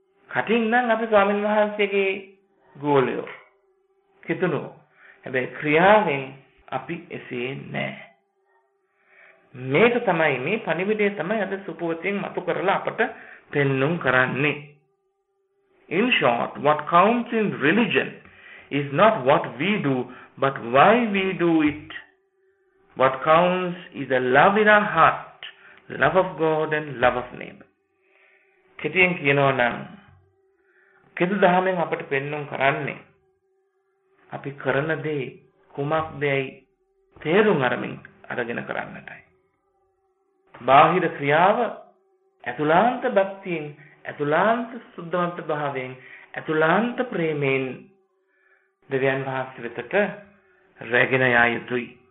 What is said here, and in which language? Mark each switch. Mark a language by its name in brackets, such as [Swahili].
[Sinhala] කටින් නම් අපි ස්වාමීන් වහන්සේගේ ගෝලයෝ කිතුනෝ, හැබැයි ක්‍රියාවෙන් අපි එසේ නැහැ. මේක තමයි මේ පණිවිඩය තමයි අද සුපුවතින් මතු කරලා අපට පෙන්නුම් කරන්නේ. [English] In short, what counts in religion is not what we do, but why we do it. What counts is the love in our heart love of God and love of neighbor. [Sinhala] කෙටියෙන් කියනවා නම් කෙදු දහමෙන් අපට පෙන්වුම් කරන්නේ අපි කරන දේ කුමක්දයි තේරුම් අරමින් අරගෙන කරන්නටයි. බාහිර ක්‍රියාව ඇතුළාන්ත භක්තියෙන් ඇතුළාන්ත සුද්ධවන්ත භාවයෙන් ඇතුළාන්ත ප්‍රේමයෙන් දෙවියන් වහන්සේ වෙතට රැගෙන යා යුතුයි.